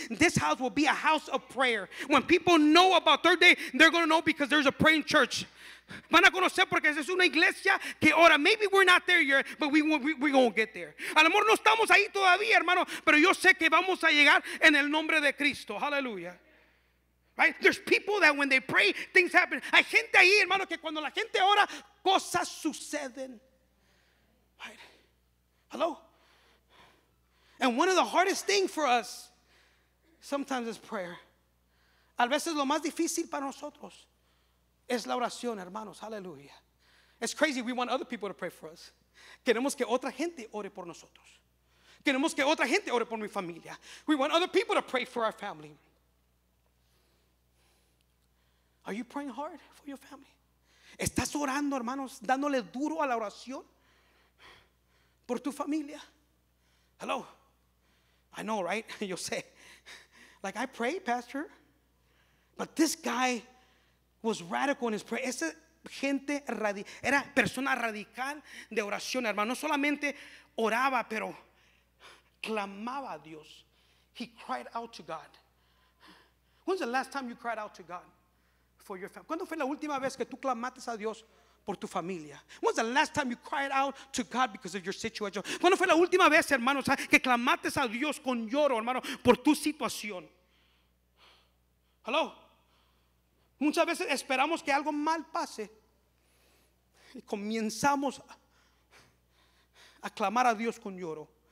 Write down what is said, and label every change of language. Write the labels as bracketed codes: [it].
[en] This house will be a house of prayer. When people know about Third Day, they're going to know because there's a praying church. [es] Van a conocer porque es una iglesia que ora. [en] Maybe we're not there yet, but we're going to get there. [es] A lo mejor no estamos ahí todavía, hermano, pero yo sé que vamos a llegar en el nombre de Cristo. [en] Hallelujah. Right? There's people that when they pray, things happen. [es] Hay gente ahí, hermano, que cuando la gente ora, cosas suceden. [en] Right? Hello? And one of the hardest things for us sometimes is prayer. [es] A veces lo más difícil para nosotros es la oración, hermanos. [en] Hallelujah. It's crazy. We want other people to pray for us. [es] Queremos que otra gente ore por nosotros. Queremos que otra gente ore por mi familia. [en] We want other people to pray for our family. Are you praying hard for your family? [es] ¿Estás orando, hermanos, dándole duro a la oración por tu familia? [en] Hello. I know, right? [es] Yo sé. [en] Like, I pray, Pastor. But this guy was radical in his prayer. [es] Esa gente era persona radical de oración, hermano. No solamente oraba, pero clamaba a Dios. [en] He cried out to God. When's the last time you cried out to God? For your family. [es] ¿Cuándo fue la última vez que tú clamaste a Dios por tu familia? [en] When's the last time you cried out to God because of your situation? [es] ¿Cuándo fue la última vez, hermanos, que clamaste a Dios con lloro, hermano, por tu situación? Hello. Muchas veces esperamos que algo mal pase y comenzamos a clamar a Dios con lloro.